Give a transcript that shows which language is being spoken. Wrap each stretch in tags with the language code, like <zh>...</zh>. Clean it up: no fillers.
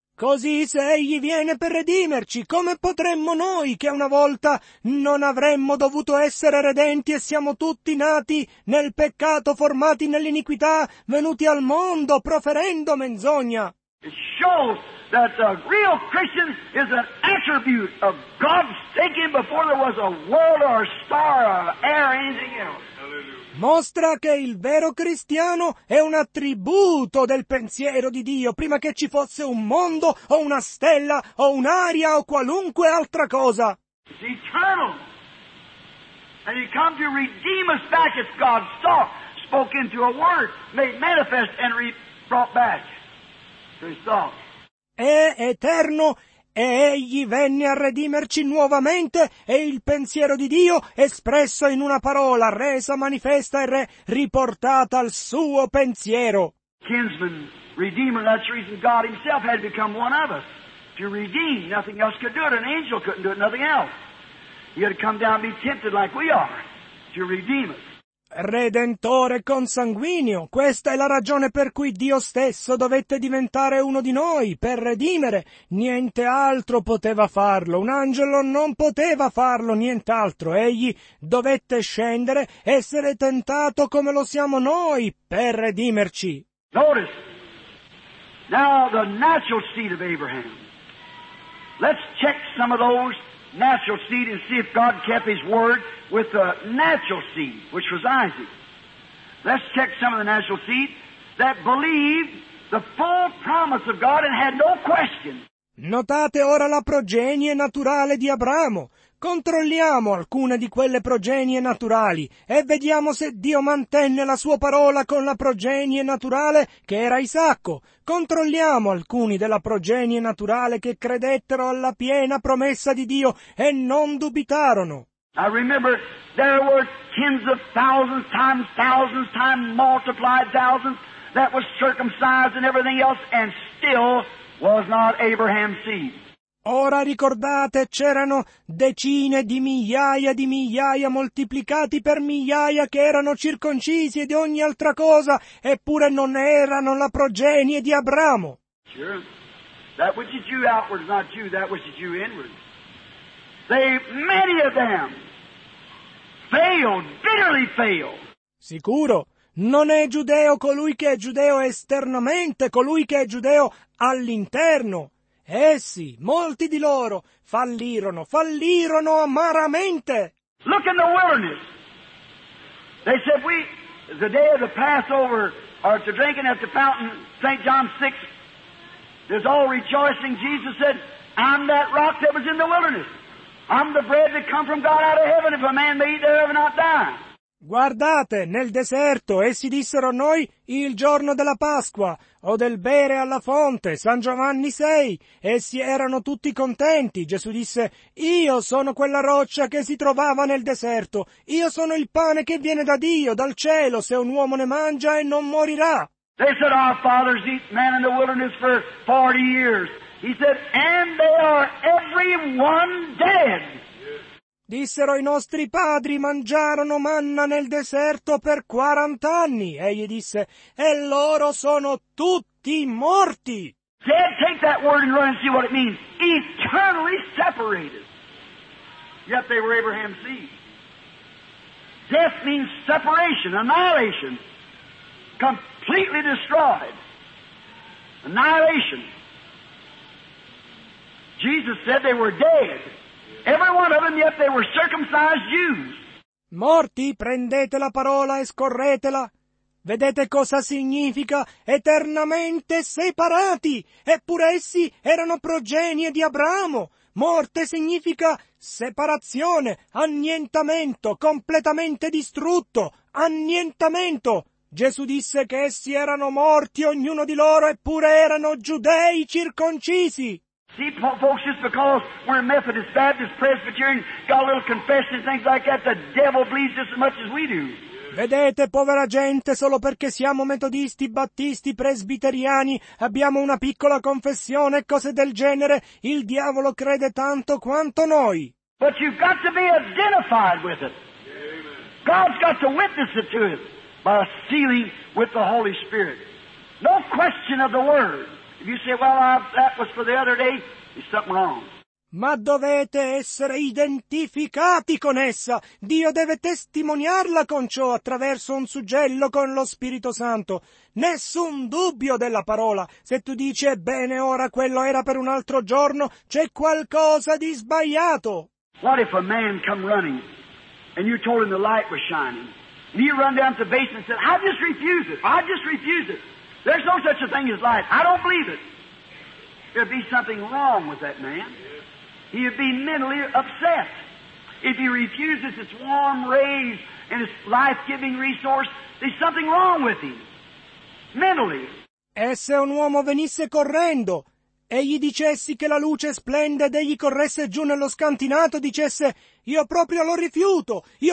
<it>Così se Egli viene per redimerci, come potremmo noi che una volta non avremmo dovuto essere redenti e siamo tutti nati nel peccato, formati nell'iniquità, venuti al mondo proferendo menzogna?</it> <en>It shows that a real Christian is an attribute of God's thinking before there was a world or a star or air or anything else.</en> <it>Mostra che il vero cristiano è un attributo del pensiero di Dio prima che ci fosse un mondo o una stella o un'aria o qualunque altra cosa.</it> <en>It's eternal. And He come to redeem us back as God's thought, spoke into a word, made manifest and brought back to His thought.</en> <it>È eterno. E Egli venne a redimerci nuovamente, e il pensiero di Dio, espresso in una parola, resa manifesta e riportata al suo pensiero.</it> <en>Kinsman, Redeemer, that's the reason God Himself had become one of us. To redeem, nothing else could do it. An angel couldn't do it, nothing else. He had to come down and be tempted like we are, to redeem us.</en> <it>Redentore consanguineo, questa è la ragione per cui Dio stesso dovette diventare uno di noi, per redimere. Niente altro poteva farlo, un angelo non poteva farlo, nient'altro. Egli dovette scendere, essere tentato come lo siamo noi, per redimerci.</it> <en>Notice, now the natural seed of Abraham. Let's check some of those natural seed and see if God kept His word with the natural seed, which was Isaac. Let's check some of the natural seed that believed the full promise of God and had no question.</en> <it>Notate ora la progenie naturale di Abramo. Controlliamo alcune di quelle progenie naturali e vediamo se Dio mantenne la sua parola con la progenie naturale che era Isacco. Controlliamo alcuni della progenie naturale che credettero alla piena promessa di Dio e non dubitarono.</it> <en>I remember there were tens of thousands times multiplied thousands that was circumcised and everything else and still was not Abraham's seed.</en> <it>Ora ricordate, c'erano decine di migliaia moltiplicati per migliaia che erano circoncisi e di ogni altra cosa, eppure non erano la progenie di Abramo.</it> <en>Sure. That which is Jew outward is not Jew, that which is Jew inward. They, many of them, failed, bitterly failed.</en> <it>Sicuro, non è giudeo colui che è giudeo esternamente, colui che è giudeo all'interno. Essi, molti di loro, fallirono, fallirono amaramente.</it> <en>Look in the wilderness. They said, we, the day of the Passover, are to drinking at the fountain, St. John 6, there's all rejoicing. Jesus said, I'm that rock that was in the wilderness. I'm the bread that come from God out of heaven. If a man may eat thereof and not die.</en> <it>Guardate, nel deserto, essi dissero noi, il giorno della Pasqua, o del bere alla fonte, San Giovanni 6, essi erano tutti contenti. Gesù disse, io sono quella roccia che si trovava nel deserto, io sono il pane che viene da Dio, dal cielo, se un uomo ne mangia e non morirà.</it> <en>They said, our fathers eat man in the wilderness for 40 years. He said, and they are every one dead.</en> <it>Dissero i nostri padri mangiarono manna nel deserto per 40 anni. Egli disse, e loro sono tutti morti.</it> <en>Dead, take that word and run and see what it means. Eternally separated. Yet they were Abraham's seed. Death means separation, annihilation. Completely destroyed. Annihilation. Jesus said they were dead. Every one of them, yet they were circumcised Jews.</en> <it>Morti, prendete la parola e scorretela. Vedete cosa significa eternamente separati. Eppure essi erano progenie di Abramo. Morte significa separazione, annientamento, completamente distrutto, annientamento. Gesù disse che essi erano morti, ognuno di loro, eppure erano giudei circoncisi.</it> <en>See, folks, just because we're Methodist, Baptist, Presbyterian, got a little confession and things like that, the devil believes just as much as we do.</en> <it>Vedete, povera gente, solo perché siamo metodisti, battisti, presbiteriani, abbiamo una piccola confessione e cose del genere, il diavolo crede tanto quanto noi.</it> <en>But you've got to be identified with it. Amen. God's got to witness it to us by sealing with the Holy Spirit. No question of the word. If you say, well, that was for the other day, there's something wrong.</en> <it>Ma dovete essere identificati con essa. Dio deve testimoniarla con ciò attraverso un suggello con lo Spirito Santo. Nessun dubbio della parola. Se tu dici, bene, ora quello era per un altro giorno, c'è qualcosa di sbagliato.</it> <en>What if a man come running, and you told him the light was shining, and he run down to the basement and said, I just refuse it, I just refuse it. There's no such a thing as light. I don't believe it. There'd be something wrong with that man. He'd be mentally upset. If he refuses its warm rays and its life-giving resource, there's something wrong with him. Mentally.</en> <it>E se un uomo venisse correndo e gli dicessi che la luce splende ed egli corresse giù nello scantinato, dicesse, io proprio lo rifiuto.</it>